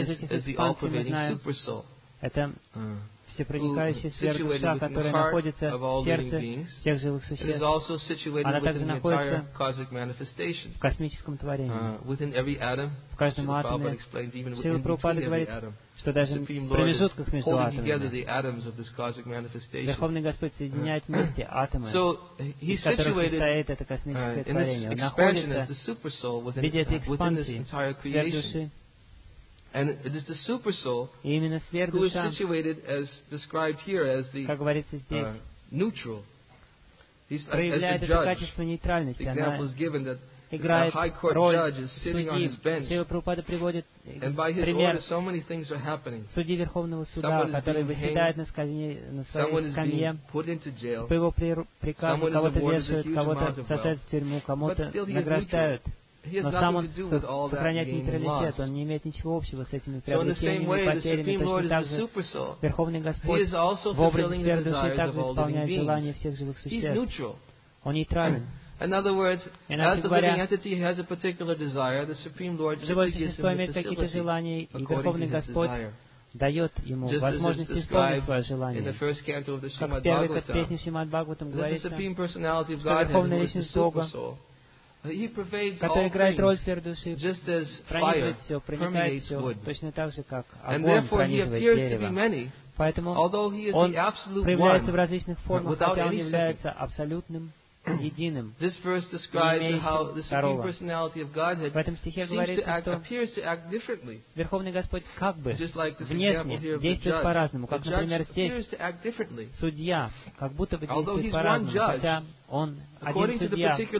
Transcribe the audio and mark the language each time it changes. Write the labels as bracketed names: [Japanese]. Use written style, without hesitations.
[English] is the all-pervading Supersoul, who is situated in the heart of all living beings, and is also situated within the entire cosmic manifestation, within every atom, as the Prabhupada explained, even within every atom. [Russian] Что даже в промежутках между атомами Верховный Господь соединяет вместе атомы, из которых состоит это космическое творение. Он находится в виде этой экспансии, сверхдуши. [English] And it is the Supersoul [Russian] именно сверхдуша, [English] who is situated as described here as the, [Russian] как говорится здесь, [English] neutral. [Russian] He's, проявляет это качество нейтральности. [English] Example is given that a high court judge is sitting on his bench, and by his order, so many things are happening. [Russian] Судьи Верховного Суда, который выседает на скамье, по его приказу кого-то вешают, кого-то сажают в тюрьму, кому-то награждают. Но сам он сохраняет нейтралитет, он не имеет ничего общего с этими приобретениями и потерями. Точно так же Верховный Господь в образе сверхдуши также исполняет желания всех живых существ. Он нейтрален. [English] In other words, as the living entity has a particular desire, the Supreme Lord gives him the facility according to his desire. [Russian] Дает ему [English] just [Russian] возможность исполнить свое желание. Как первый как песни Шримад Бхагаватам говорится, что Верховная Личность Бога, который играет роль сердуши, пронизывает все, проникает все, точно так же, как огонь пронизывает дерево. Поэтому он проявляется в различных формах, хотя он является абсолютным. единым. [English] This verse describes how the Supreme Personality of Godhead appears to act differently. [Russian] Верховный Господь как бы внешне действует по-разному, как, например, здесь судья, как будто бы действует по-разному, хотя он один судья.